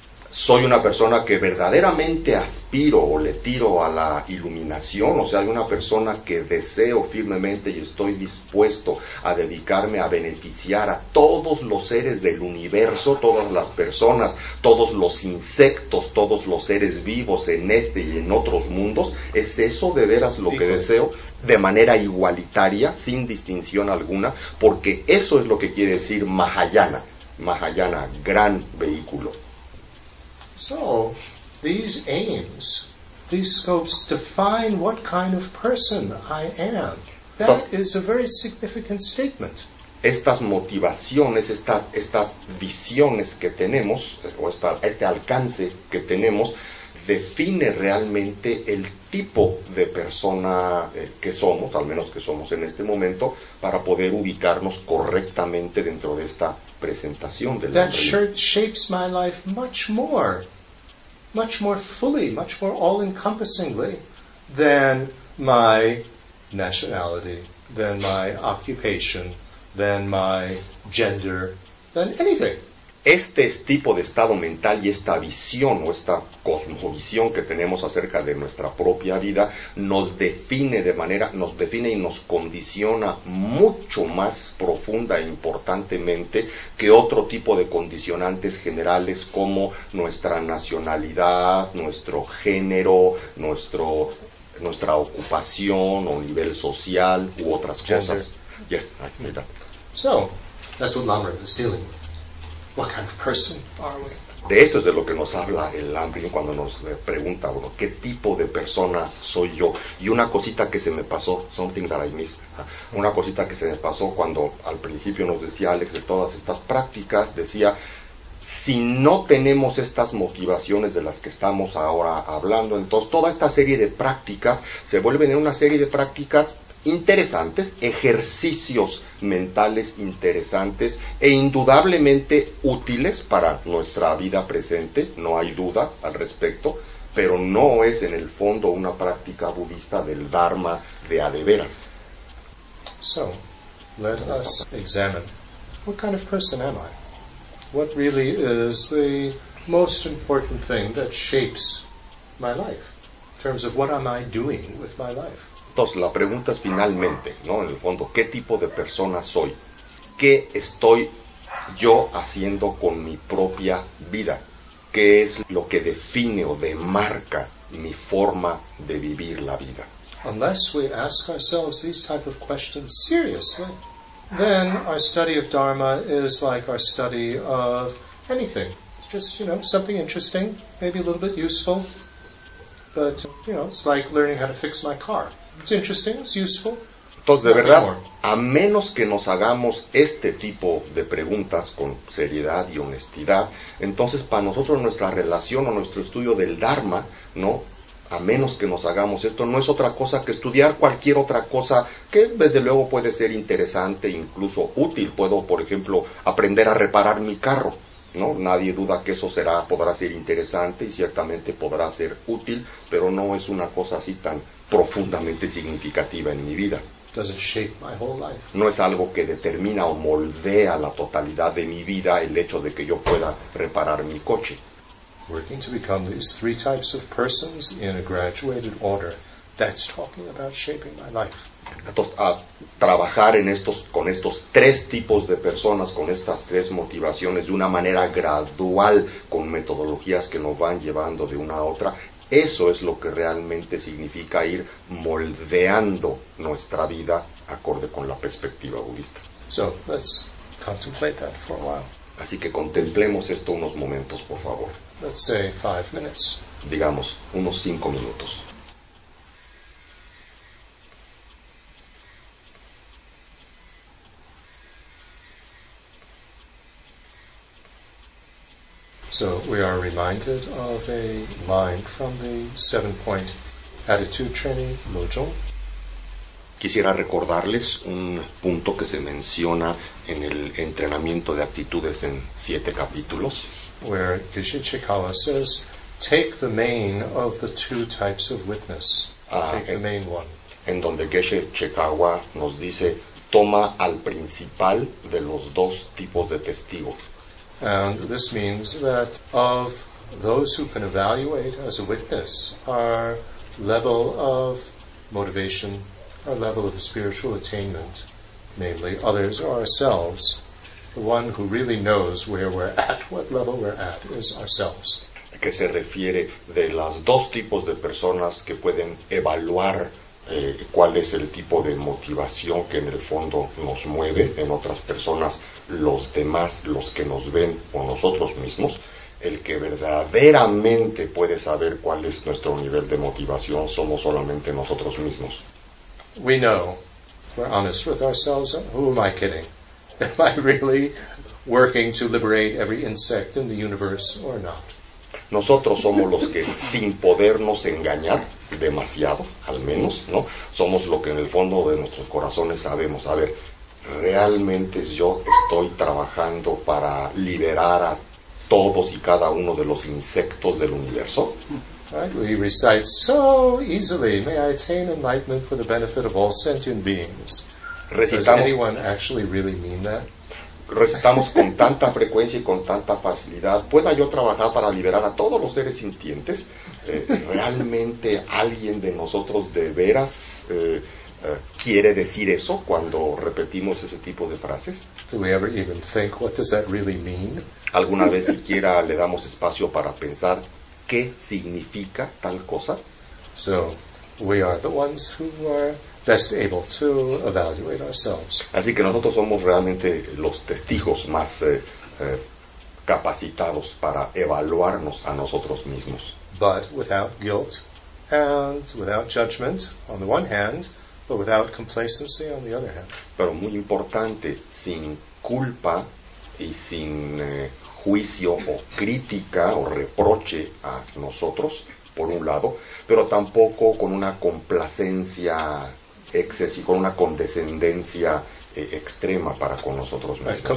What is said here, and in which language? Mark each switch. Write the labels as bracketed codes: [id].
[es] ¿Soy una persona que verdaderamente aspiro o le tiro a la iluminación? O sea, ¿hay una persona que deseo firmemente y estoy dispuesto a dedicarme a beneficiar a todos los seres del universo, todas las personas, todos los insectos, todos los seres vivos en este y en otros mundos? ¿Es eso de veras lo que deseo? De manera igualitaria, sin distinción alguna, porque eso es lo que quiere decir Mahayana. Mahayana, gran vehículo. [en] So, these aims, these scopes define what kind of person I am. That is a very significant statement. [es] Estas motivaciones, estas visiones que tenemos, o este alcance que tenemos, define realmente el tipo de persona que somos, al menos que somos en este momento, para poder ubicarnos correctamente dentro de esta presentación del [en] That shirt shapes my life much more fully, much more all-encompassingly than my nationality, than my occupation, than my gender, than anything. [es] Este tipo de estado mental y esta visión o esta cosmovisión que tenemos acerca de nuestra propia vida nos define y nos condiciona mucho más profunda e importantemente que otro tipo de condicionantes generales como nuestra nacionalidad, nuestro género, nuestra ocupación o nivel social u otras cosas. [en] Yes, I can do that. So, that's what lam-rim is dealing with. What kind of person are we? [es] De esto es de lo que nos habla el lam-rim cuando nos pregunta, bueno, ¿qué tipo de persona soy yo? Y una cosita que se me pasó, [en] something that I missed, [es] una cosita que se me pasó cuando al principio nos decía Alex de todas estas prácticas, decía, si no tenemos estas motivaciones de las que estamos ahora hablando, entonces toda esta serie de prácticas se vuelven en una serie de prácticas interesantes, ejercicios mentales interesantes e indudablemente útiles para nuestra vida presente, no hay duda al respecto, pero no es en el fondo una práctica budista del Dharma de a de veras. [en] So, let us examine. What kind of person am I? What really is the most important thing that shapes my life? In terms of what am I doing with my life? [es] Entonces, la pregunta es finalmente, ¿no? En el fondo, ¿qué tipo de persona soy? ¿Qué estoy yo haciendo con mi propia vida? ¿Qué es lo que define o demarca mi forma de vivir la vida? [en] Unless we ask ourselves these type of questions seriously, then our study of Dharma is like our study of anything. It's just, you know, something interesting, maybe a little bit useful, but, you know, it's like learning how to fix my car. It's interesting, it's useful. [es] Entonces, de verdad, a menos que nos hagamos este tipo de preguntas con seriedad y honestidad, entonces para nosotros nuestra relación o nuestro estudio del Dharma, ¿no? A menos que nos hagamos esto, no es otra cosa que estudiar cualquier otra cosa que desde luego puede ser interesante, incluso útil. Puedo, por ejemplo, aprender a reparar mi carro, ¿no? Nadie duda que eso podrá ser interesante y ciertamente podrá ser útil, pero no es una cosa así tan profundamente significativa en mi vida. [en] Does it shape my whole life? [es] No es algo que determina o moldea la totalidad de mi vida el hecho de que yo pueda reparar mi coche. [en] Working to become these three types of persons in a graduated order, that's talking about shaping my life. [es] Entonces, a trabajar en estos, con estos tres tipos de personas, con estas tres motivaciones de una manera gradual, con metodologías que nos van llevando de una a otra, eso es lo que realmente significa ir moldeando nuestra vida acorde con la perspectiva budista. [en] So, let's contemplate that for a while. [es] Así que contemplemos esto unos momentos, por favor. [en] Let's say 5 minutes. [es] Digamos, unos 5 minutos. [en] So we are reminded of a line from the 7-point attitude training, Lojong. [es] Quisiera recordarles un punto que se menciona en el entrenamiento de actitudes en 7 capítulos. [en] Where Kishichikawa says, take the main of the two types of witness. The main one. [es] En donde Geshe Chekawa nos dice, toma al principal de los dos tipos de testigo. [en] And this means that of those who can evaluate as a witness, our level of motivation, our level of spiritual attainment, namely others or ourselves, the one who really knows where we're at, what level we're at, is ourselves. [es] Que se refiere de las dos tipos de personas que pueden evaluar cuál es el tipo de motivación que en el fondo nos mueve en otras personas, los demás, los que nos ven o nosotros mismos. El que verdaderamente puede saber cuál es nuestro nivel de motivación somos solamente nosotros mismos. [en] We know. We're honest with ourselves. Who am I kidding? Am I really working to liberate every insect in the universe or not? [es] Nosotros somos los que, sin podernos engañar demasiado, al menos, ¿no? Somos lo que en el fondo de nuestros corazones sabemos. A ver, ¿realmente yo estoy trabajando para liberar a todos y cada uno de los insectos del universo? [en] Right, we recite so easily, may I attain enlightenment for the benefit of all sentient beings. [es] Recitamos. [en] Does anyone actually really mean that? [es] Recitamos con tanta frecuencia y con tanta facilidad, ¿pueda yo trabajar para liberar a todos los seres sintientes? ¿Realmente alguien de nosotros de veras quiere decir eso cuando repetimos ese tipo de frases? [en] Do we ever even think, what does that really mean? [es] ¿Alguna vez siquiera le damos espacio para pensar qué significa tal cosa? [en] So, we are the ones who are best able to evaluate ourselves. [es] Así que nosotros somos realmente los testigos más capacitados para evaluarnos a nosotros mismos. [en] But without guilt and without judgment on the one hand, but without complacency on the other hand. [es] Pero muy importante, sin culpa y sin juicio o crítica o reproche a nosotros, por un lado, pero tampoco con una complacencia excesiva y con una condescendencia extrema para con nosotros mismos.